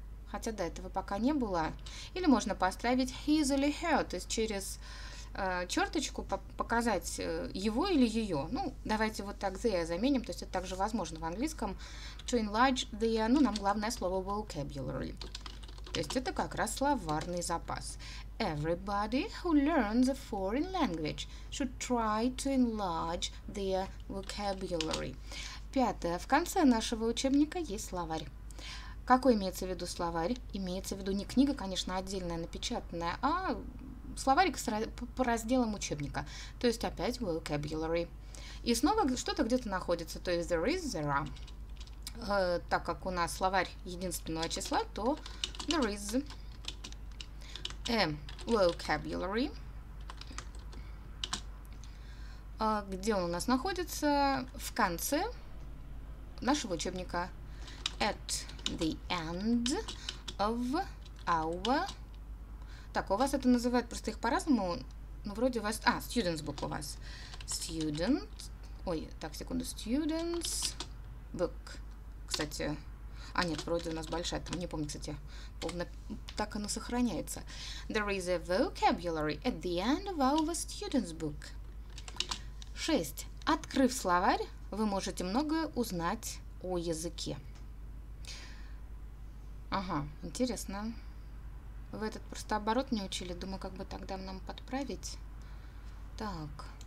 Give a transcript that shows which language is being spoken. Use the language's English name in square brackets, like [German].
[Russian] Хотя до этого пока не было. Или можно поставить his или her. То есть через черточку показать его или ее. Ну, давайте вот так the заменим, то есть это также возможно в английском. [English] To enlarge the, [Russian] ну, нам главное слово vocabulary. То есть это как раз словарный запас. [English] Everybody who learns a foreign language should try to enlarge their vocabulary. [Russian] Пятое. В конце нашего учебника есть словарь. Какой имеется в виду словарь? Имеется в виду не книга, конечно, отдельная, напечатанная, а словарик по разделам учебника. То есть опять vocabulary. И снова что-то где-то находится. То есть [English] there is, there are. [Russian] Так как у нас словарь единственного числа, то [English] there is a vocabulary. [Russian] Где он у нас находится? В конце нашего учебника. [English] At the end of our. [Russian] Так, у вас это называют просто их по-разному. Ну, вроде у вас... А, students book у вас. Student. Ой, так, секунду. [English] Students book. Кстати. [Russian] А, нет, вроде у нас большая. Там не помню, кстати. Полно... Так оно сохраняется. [English] There is a vocabulary at the end of our students book. [Russian] 6. Открыв словарь, вы можете многое узнать о языке. Ага, интересно. В этот просто оборот не учили. Думаю, как бы тогда нам подправить. Так.